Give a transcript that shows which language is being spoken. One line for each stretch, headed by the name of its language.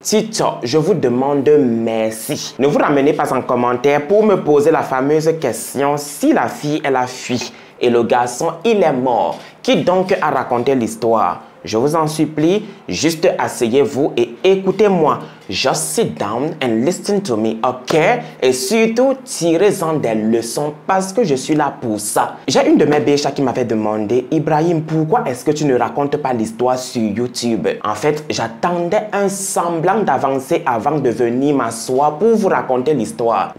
French: Tito, je vous demande merci. Ne vous ramenez pas en commentaire pour me poser la fameuse question si la fille, elle a fui et le garçon, il est mort. Qui donc a raconté l'histoire? Je vous en supplie, juste asseyez-vous et écoutez-moi.
English: Just sit down and listen to me, ok?
French: Et surtout, tirez-en des leçons parce que je suis là pour ça. J'ai une de mes béchas qui m'avait demandé, Ibrahim, pourquoi est-ce que tu ne racontes pas l'histoire sur YouTube? En fait, j'attendais un semblant d'avancée avant de venir m'asseoir pour vous raconter l'histoire.